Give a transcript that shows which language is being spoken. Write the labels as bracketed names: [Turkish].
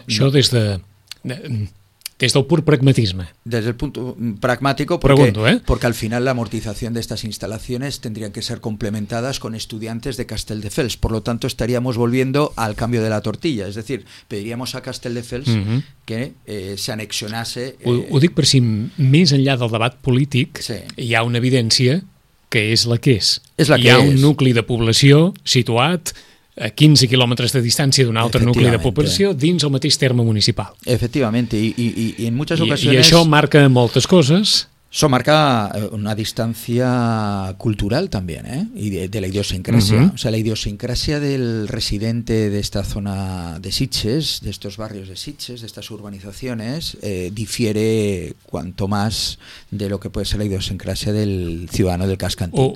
[Spanish] yo desde el [Catalan] pur pragmatisme. [Spanish] Desde el punto pragmático, porque al final la amortización de estas instalaciones tendrían que ser complementadas con estudiantes de Castelldefels. Por lo tanto, estaríamos volviendo al cambio de la tortilla. Es decir, pediríamos a Castelldefels que se anexionase... [Catalan] Ho dic per si més enllà del debat polític hi ha una evidència que és la que és. És la que hi ha un nucli de població situat a 15 quilòmetres de distància d'un altre nucli de població dins el mateix terme municipal. [Spanish] Efectivamente, y en muchas ocasiones... [Catalan] I això marca moltes coses. Això marca una distància cultural, també, i de la idiosincrasia. [Spanish] Uh-huh. O sea, la idiosincrasia del residente de esta zona de Sitges, de estos barrios de Sitges, de estas urbanizaciones, difiere cuanto más de lo que puede ser la idiosincrasia del ciudadano del casco antiguo.